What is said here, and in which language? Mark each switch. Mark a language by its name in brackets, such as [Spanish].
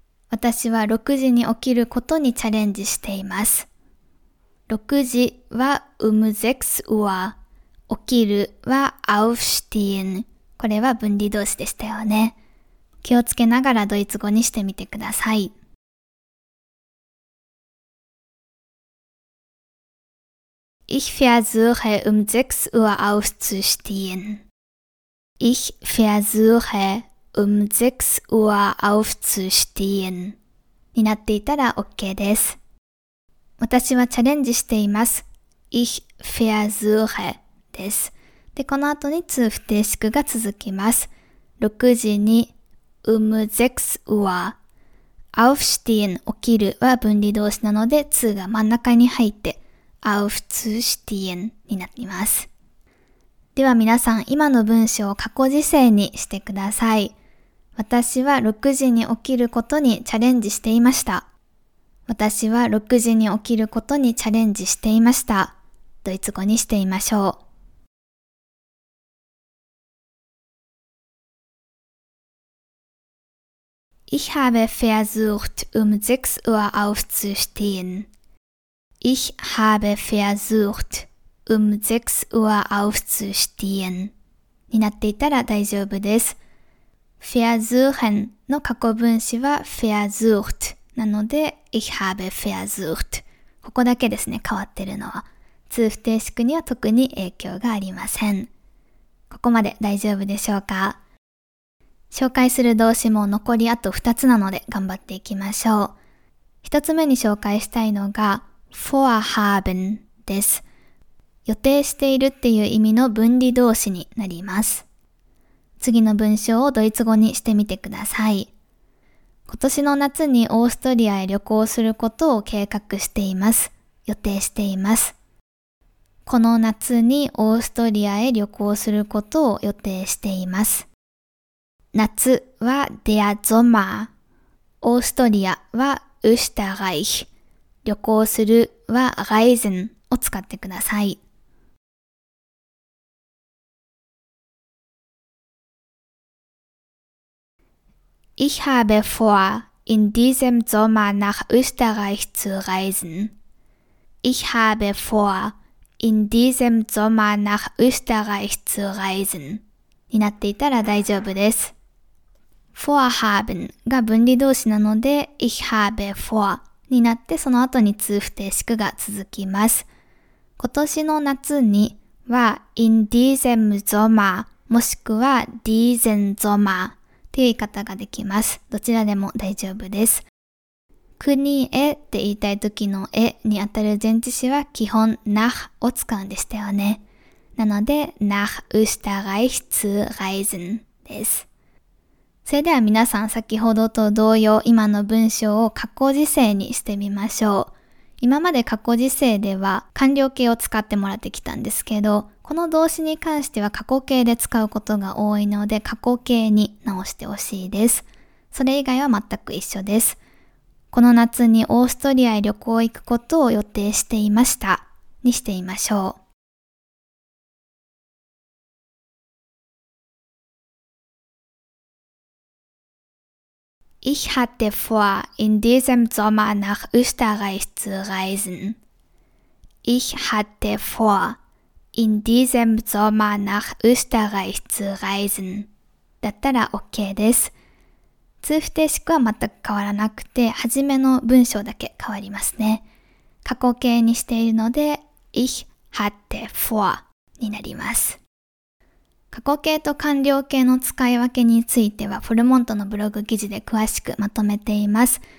[Japanese] 私は6時に起きることにチャレンジしています。 6時は6 Uhr、起きるは aufstehen。これは分離動詞でしたよね。気をつけながらドイツ語にしてみてください。 [German] Ich versuche 6 Uhr aufzustehen. Ich versuche 6 Uhr aufzustehen. [Japanese] になっていたら OK です。私はチャレンジしています。 [German] Ich versuche です。 [Japanese] で、この後に通不定式が続きます。6時に6 Uhr Aufstehen 起きるは分離動詞なので2が真ん中に入って Aufzustehen になります。では皆さん今の文章を過去時制にしてください。私は6時に起きることにチャレンジしていました。私は6時に起きることにチャレンジしていました。ドイツ語にしてみましょう。 [German] Ich habe versucht, 6 Uhr aufzustehen. Ich habe versucht, 6 Uhr aufzustehen. [Japanese] になっていたら大丈夫です。 Versuchen の過去分詞は versucht なので [German] Ich habe versucht. [Japanese] ここだけですね、変わってるのは。通不定式には特に影響がありません。ここまで大丈夫でしょうか?紹介する動詞も残りあと2つなので頑張っていきましょう。 1つ目に紹介したいのが vorhaben です。予定しているっていう意味の分離動詞になります。次の文章をドイツ語にしてみてください。今年の夏にオーストリアへ旅行することを計画しています。予定しています。この夏にオーストリアへ旅行することを予定しています。夏は der Sommer。オーストリアは Österreich。旅行するは Reisen を使ってください。 [German] Ich habe vor, in diesem Sommer nach Österreich zu reisen. Ich habe vor, in diesem Sommer nach Österreich zu reisen. [Japanese] になっていたら大丈夫です。Vorhaben が分離動詞なので [German] Ich habe vor [Japanese] になってその後に通不定式が続きます。今年の夏には [German] in diesem Sommer [Japanese] もしくは [German] diesen Sommer [Japanese] っていう言い方ができます。どちらでも大丈夫です。国へって言いたい時のへにあたる前置詞は基本 nach を使うんでしたよね。 [German] なので nach Österreich zu reisen です。 [Japanese] それでは皆さん先ほどと同様今の文章を過去時制にしてみましょう。今まで過去時制では完了形を使ってもらってきたんですけど、この動詞に関しては過去形で使うことが多いので過去形に直してほしいです。それ以外は全く一緒です。この夏にオーストリアへ旅行行くことを予定していましたにしてみましょう。 [German] Ich hatte vor, in diesem Sommer nach Österreich zu reisen. Ich hatte vor, in diesem Sommer nach Österreich zu reisen. [Japanese] だったら OK です。通不定式は全く変わらなくて、初めの文章だけ変わりますね。過去形にしているので、 [German] Ich hatte vor [Japanese] になります。過去形と完了形の使い分けについてはフォルモントのブログ記事で詳しくまとめています。